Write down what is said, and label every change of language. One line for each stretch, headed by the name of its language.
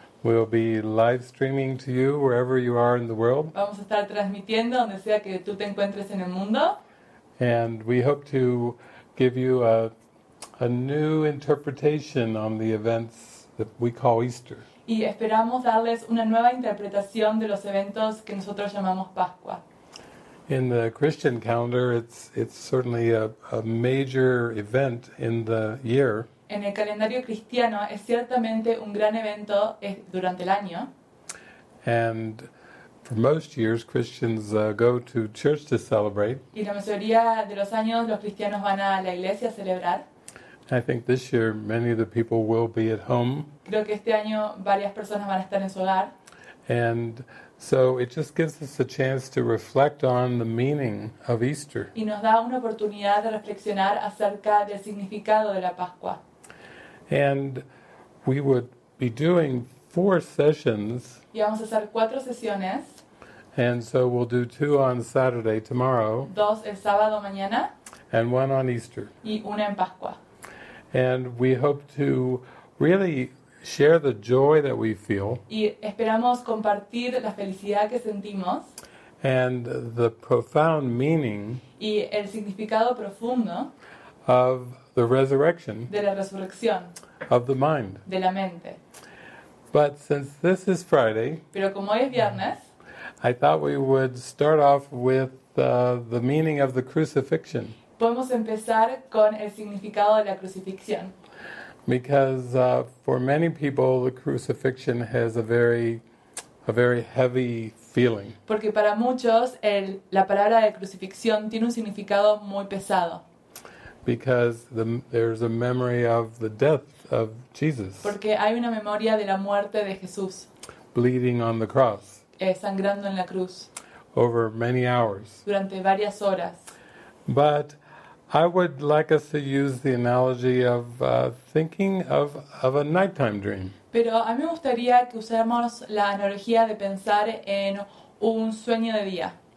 English: We'll be live streaming to you wherever you are in the world.
Spanish: Vamos a estar transmitiendo donde sea que tú te encuentres en el mundo.
English: And we hope to give you a new interpretation on the events that we call Easter.
Spanish: Y esperamos darles una nueva interpretación de los eventos que nosotros llamamos Pascua.
English: In the Christian calendar, it's certainly a major event in the year.
Spanish: En el calendario cristiano es ciertamente un gran evento durante el año.
English: And for most years, Christians go to church to celebrate.
Spanish: Y la mayoría de los años los cristianos van a la iglesia a celebrar.
English: I think this year many of the people will be at home.
Spanish: Creo que este año varias personas van a estar en su hogar.
English: And so it just gives us a chance to reflect on the meaning of Easter.
Spanish: Y nos da una oportunidad de reflexionar acerca del significado de la Pascua.
English: And we would be doing four sessions.
Spanish: Y vamos a hacer cuatro sesiones.
English: And so we'll do two on Saturday tomorrow.
Spanish: Dos el sábado mañana.
English: And one on Easter.
Spanish: Y una en Pascua.
English: And we hope to really share the joy that we feel.
Spanish: Y esperamos compartir la felicidad que sentimos.
English: And the profound meaning.
Spanish: Y el significado profundo.
English: Of the resurrection.
Spanish: De la resurrección.
English: Of the mind.
Spanish: De la mente.
English: But since this is Friday.
Spanish: Pero como hoy es viernes.
English: I thought we would start off with the meaning of the crucifixion.
Spanish: Podemos empezar con el significado de la crucifixión.
English: Because for many people the crucifixion has a very heavy feeling.
Spanish: Porque para muchos la palabra de crucifixión tiene un significado muy pesado.
English: Because there's a memory of the death of Jesus.
Spanish: Porque hay una memoria de la muerte de Jesús.
English: Bleeding on the cross.
Spanish: Sangrando en la cruz.
English: Over many hours.
Spanish: Durante varias horas.
English: But I would like us to use the analogy of thinking of a nighttime dream.
Spanish: Pero a mí me gustaría que usáramos la analogía de pensar en un sueño de día.